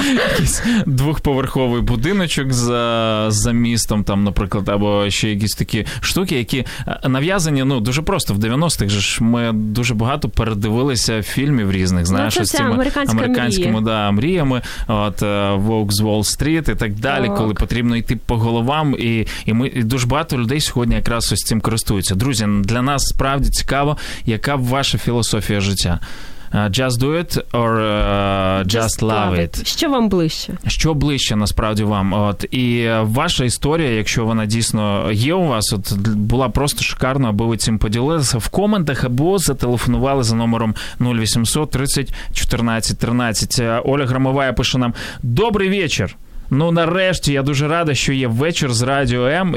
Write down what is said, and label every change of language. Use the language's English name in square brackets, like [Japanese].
[Ukrainian] Якийсь двохповерховий будиночок за містом, там, наприклад, або ще якісь такі штуки, які нав'язані, ну, дуже просто, в 90-х же ж ми дуже багато передивилися фільмів різних, знаєш, ну, з цими американськими мріями, от Wolf's Wall Street і так далі, так, коли потрібно йти по головам, і дуже багато людей сьогодні якраз ось цим користуються. Друзі, для нас справді цікаво, яка ваша філософія життя. [English] Just do it or just love it. [Ukrainian] Що вам ближче? Що ближче, насправді, вам? От. І ваша історія, якщо вона дійсно є у вас, от, була просто шикарна, аби ви цим поділилися в коментах або зателефонували за номером 0800 30 14 13. Оля Громовая пише нам: «Добрий вечір!» Ну, нарешті, я дуже радий, що є вечір з Радіо М.